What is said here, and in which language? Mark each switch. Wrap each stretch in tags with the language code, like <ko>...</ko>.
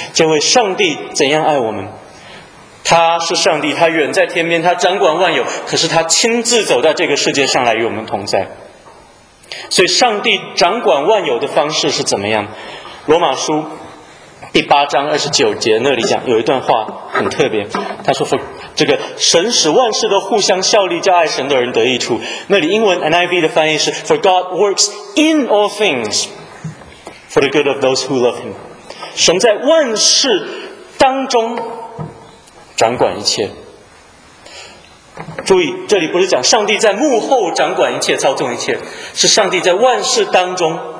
<zh>这位上帝怎样爱我们？他是上帝，他远在天边，他掌管万有，可是他亲自走到这个世界上来与我们同在。所以上帝掌管万有的方式是怎么样？罗马书第8章29节那里讲有一段话很特别，他说这个神使万事都互相效力，叫爱神的人得益处。那里英文 NIV 的翻译是</zh> <en>For God works in all things for the good of those who love him，</en> <zh>神在万事当中掌管一切。注意，这里不是讲上帝在幕后掌管一切操纵一切，是上帝在万事当中。</zh>